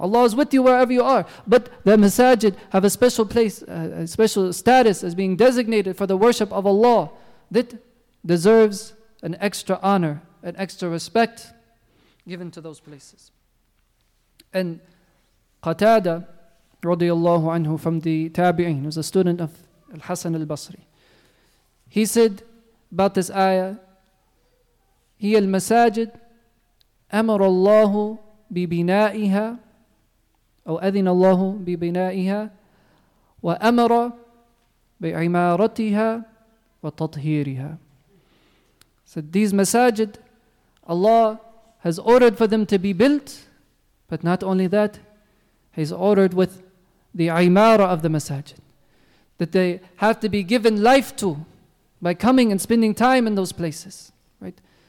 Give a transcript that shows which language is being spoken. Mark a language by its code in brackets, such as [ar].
[en] Allah is with you wherever you are. But the masajid have a special place, a special status as being designated for the worship of Allah that deserves an extra honor, an extra respect given to those places. And Qatada radiallahu anhu from the Tabi'een, was a student of Al-Hasan al-Basri. He said about this ayah, [ar] هي المساجد أمر الله ببنائها أو أذن الله ببنائها وأمر بعمارتها وتطهيرها. [en] Said these masajid, Allah has ordered for them to be built, but not only that, He's ordered with the imara of the masajid, that they have to be given life to by coming and spending time in those places. Right?